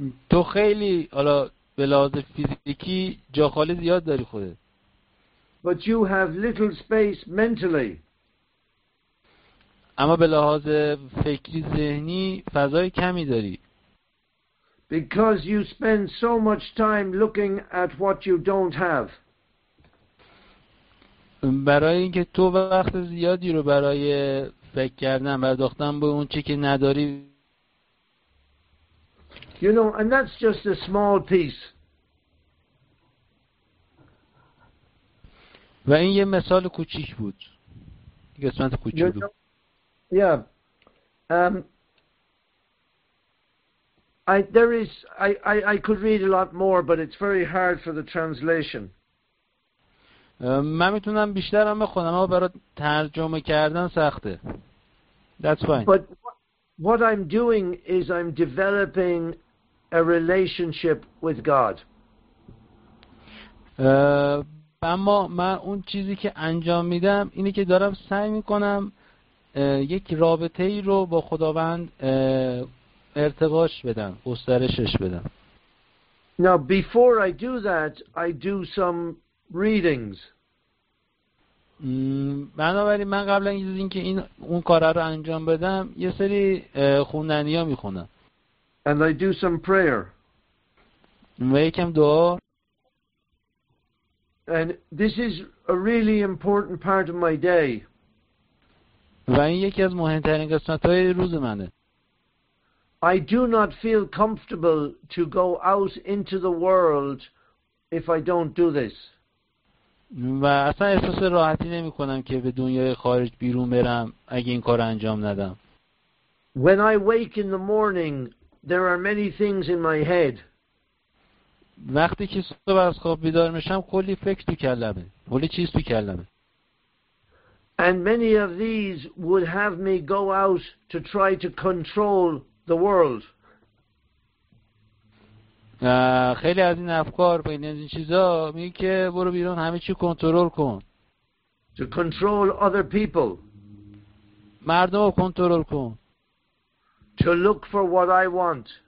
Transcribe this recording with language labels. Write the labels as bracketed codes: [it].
[fa] تو خیلی حالا به لحاظ فیزیکی جا خالی زیاد داری خودت. [en] But you have little space mentally. [fa] اما به لحاظ فکری ذهنی فضای کمی داری. [en] Because you spend so much time looking at what you don't have. [fa] برای اینکه تو وقت زیادی رو برای فکر کردن برداختن به اون چی که نداری. [en] You know, and that's just a small piece. [fa] و این یه مثال کوچیک بود. قسمت کوچیک بود. [en] I could read a lot more, but it's very hard for the translation. [fa] من میتونم بیشتر هم بخونم، اما برای ترجمه کردن سخته. [en] That's fine. But what I'm doing is I'm developing a relationship with God. [fa] اما من اون چیزی که انجام میدم اینه که دارم سعی میکنم یک رابطه ای رو با خداوند ارتقاش بدم، گسترشش بدم. [en] Now before I do that, I do some readings. [fa] بنابراین من قبل از اینکه این اون کار رو انجام بدم یه سری خوندنی ها میخونم. [en] And I do some prayer. [fa] و یکم دعا. [en] And this is a really important part of my day. [fa] و این یکی از مهمترین قسمت های روز منه. [en] I do not feel comfortable to go out into the world if I don't do this. [fa] و اصلا احساس راحتی نمی کنم که به دنیای خارج بیرون برم اگه این کار انجام ندم. [en] When I wake in the morning, there are many things in my head. [fa] وقتی که صبح از خواب بیدار میشم کلی فکر تو کلمه، کلی چیز تو کلمه. [en] And many of these would have me go out to try to control the world. [fa] خیلی از این افکار و این چیزا میگه که برو بیرون همه چی کنترل کن. [en] To control other people. [fa] مردم رو کنترل کن. [en] To look for what I want.